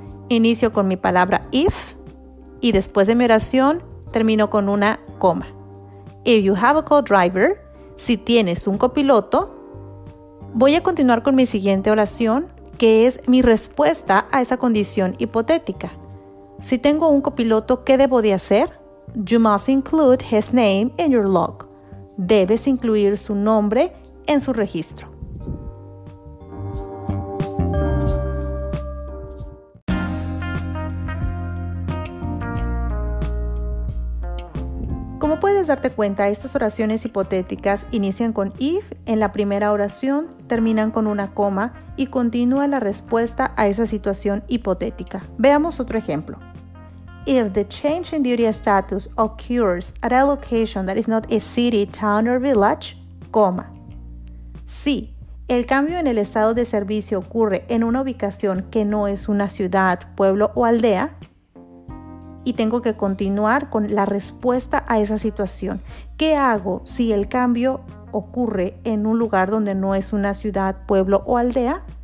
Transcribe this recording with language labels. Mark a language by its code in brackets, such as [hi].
[es] Inicio con mi palabra if y después de mi oración termino con una coma. [en] If you have a co-driver, [es] si tienes un copiloto, voy a continuar con mi siguiente oración, que es mi respuesta a esa condición hipotética. Si tengo un copiloto, ¿qué debo de hacer? [en] You must include his name in your log. [es] Debes incluir su nombre en su registro. Como puedes darte cuenta, estas oraciones hipotéticas inician con if en la primera oración, terminan con una coma y continúa la respuesta a esa situación hipotética. Veamos otro ejemplo. [en] If the change in duty status occurs at a location that is not a city, town or village, coma. [es] Si el cambio en el estado de servicio ocurre en una ubicación que no es una ciudad, pueblo o aldea, y tengo que continuar con la respuesta a esa situación. ¿Qué hago si el cambio ocurre en un lugar donde no es una ciudad, pueblo o aldea?